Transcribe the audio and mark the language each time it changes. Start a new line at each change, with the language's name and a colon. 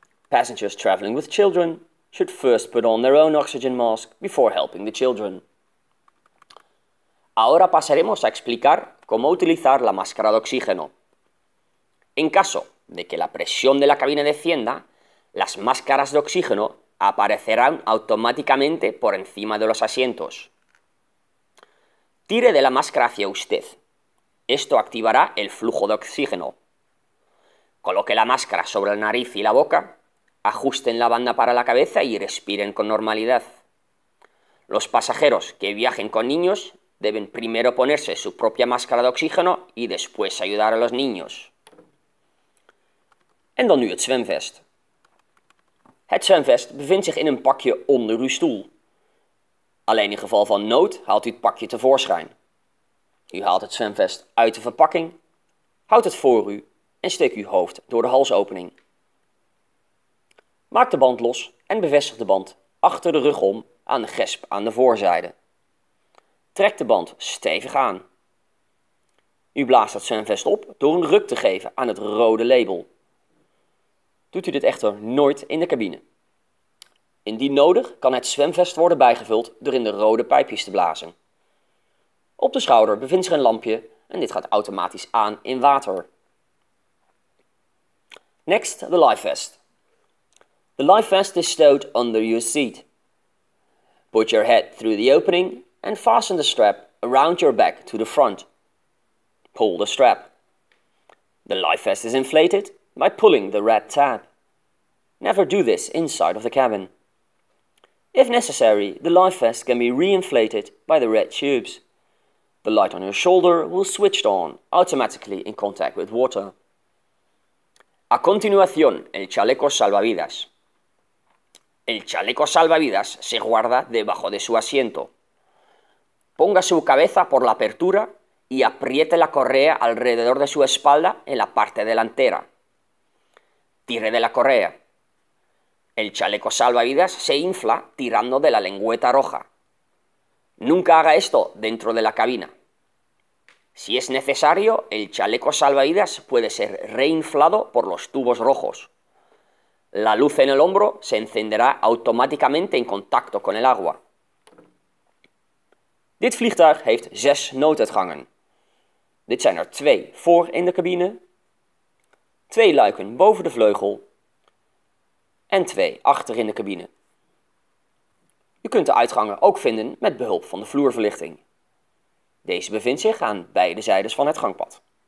English: Passengers traveling with children should first put on their own oxygen mask before helping the children.
Spanish: Ahora pasaremos a explicar cómo utilizar la máscara de oxígeno. En caso de que la presión de la cabina descienda, las máscaras de oxígeno aparecerán automáticamente por encima de los asientos. Tire de la máscara hacia usted. Esto activará el flujo de oxígeno. Coloque la máscara sobre la nariz y la boca. Ajusten la banda para la cabeza y respiren con normalidad. Los pasajeros que viajen con niños deben primero ponerse su propia máscara de oxígeno y después ayudar a los niños.
Dutch: En dan nu het zwemvest. Het zwemvest bevindt zich in een pakje onder uw stoel. Alleen in geval van nood haalt u het pakje tevoorschijn. U haalt het zwemvest uit de verpakking, houdt het voor u en steekt uw hoofd door de halsopening. Maak de band los en bevestig de band achter de rug om aan de gesp aan de voorzijde. Trek de band stevig aan. U blaast het zwemvest op door een ruk te geven aan het rode label. Doet u dit echter nooit in de cabine. Indien nodig kan het zwemvest worden bijgevuld door in de rode pijpjes te blazen. Op de schouder bevindt zich een lampje en dit gaat automatisch aan in water.
English: Next, the life vest. The life vest is stowed under your seat. Put your head through the opening and fasten the strap around your back to the front. Pull the strap. The life vest is inflated by pulling the red tab. Never do this inside of the cabin. If necessary, the life vest can be reinflated by the red tubes. The light on your shoulder will switch on automatically in contact with water.
Spanish: A continuación, el chaleco salvavidas. El chaleco salvavidas se guarda debajo de su asiento. Ponga su cabeza por la apertura y apriete la correa alrededor de su espalda en la parte delantera. Tire de la correa. El chaleco salvavidas se infla tirando de la lengüeta roja. Nunca haga esto dentro de la cabina. Si es necesario, el chaleco salvavidas puede ser reinflado por los tubos rojos. La luz en el hombro se encenderá automáticamente en contacto con el agua.
Dutch: Dit vliegtuig heeft 6 nooduitgangen. Dit zijn er 2 voor in de cabine, 2 luiken boven de vleugel en 2 achter in de cabine. U kunt de uitgangen ook vinden met behulp van de vloerverlichting. Deze bevindt zich aan beide zijdes van het gangpad.